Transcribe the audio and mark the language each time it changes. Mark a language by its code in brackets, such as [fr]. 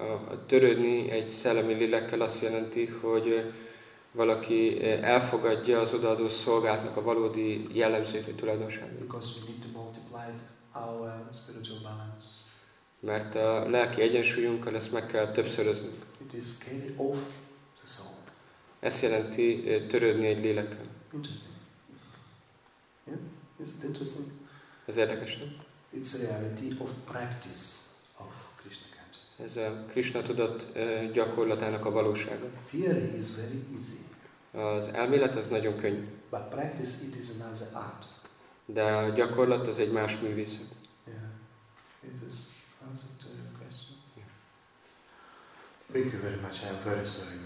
[hu] A törődni egy szellemi lélekkel azt jelenti, hogy valaki elfogadja az odaadó szolgálatnak a valódi jellemzőt, a tulajdonságot. [en] Because we need to multiply our spiritual balance. [hu] Mert a lelki egyensúlyunkkal ezt meg kell többszöröznünk. [en] It is carry off the soul. [hu] Ezt jelenti törődni egy lélekkel. [en] Interesting. Is it interesting? [hu] Ez érdekes, nem? [en] It's a reality of practice of Krishna consciousness. [hu] Ez a Krishna tudat gyakorlatának a valósága. [en] Theory is very easy. [hu] Az elmélet az nagyon könnyű. [en] But practice it is another art. [hu] De a gyakorlat az egy más művészet. [en] Yeah. It is answer to your question. Yeah. Thank you very much. I'm very sorry.